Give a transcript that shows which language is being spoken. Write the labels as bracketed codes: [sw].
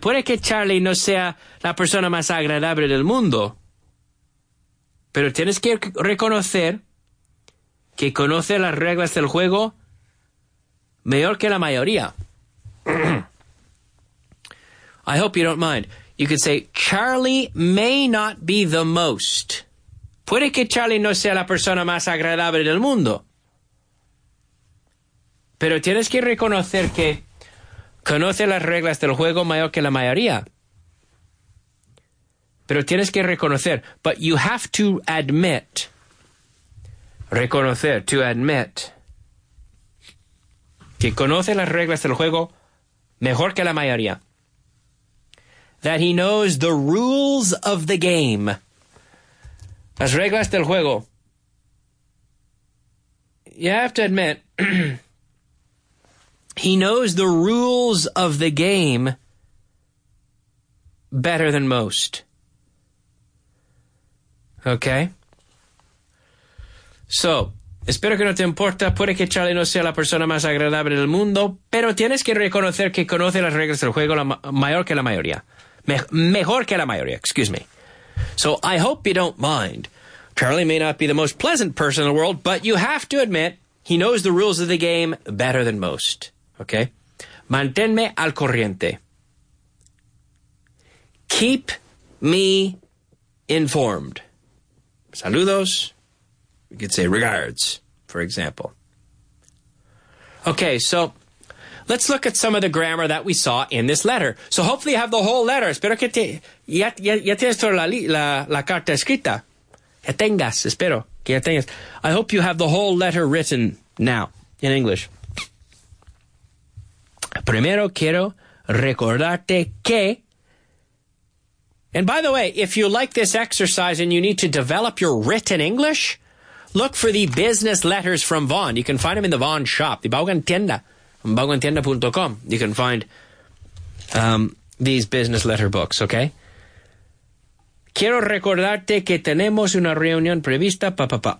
[es] Puede que Charlie no sea la persona más agradable del mundo. Pero tienes que reconocer que conoce las reglas del juego mejor que la mayoría. [en] I hope you don't mind. You could say, Charlie may not be the most. [es] Puede que Charlie no sea la persona más agradable del mundo. Pero tienes que reconocer que conoce las reglas del juego mejor que la mayoría. Pero tienes que reconocer. [en] But you have to admit. Reconocer, to admit. [es] Que conoce las reglas del juego mejor que la mayoría. [en] That he knows the rules of the game. [es] Las reglas del juego. [en] You have to admit. He knows the rules of the game better than most. Okay? So, [es] espero que no te importa. Puede que Charlie no sea la persona más agradable del mundo, pero tienes que reconocer que conoce las reglas del juego mejor que la mayoría. Mejor que la mayoría, [en] excuse me. So, I hope you don't mind. Charlie may not be the most pleasant person in the world, but you have to admit he knows the rules of the game better than most. Okay? [es] Manténme al corriente. [en] Keep me informed. [es] Saludos. [en] You could say regards, for example. Okay, so let's look at some of the grammar that we saw in this letter. So hopefully you have the whole letter. [es] Espero que ya tienes toda la carta escrita. Que tengas, espero que ya tengas. [en] I hope you have the whole letter written now in English. [es] Primero quiero recordarte que. [en] And by the way, if you like this exercise and you need to develop your written English, look for the business letters from Vaughn. You can find them in the Vaughn shop, the Baugan Tienda, baugantienda.com. You can find these business letter books, okay? [es] Quiero recordarte que tenemos una reunión prevista, papá.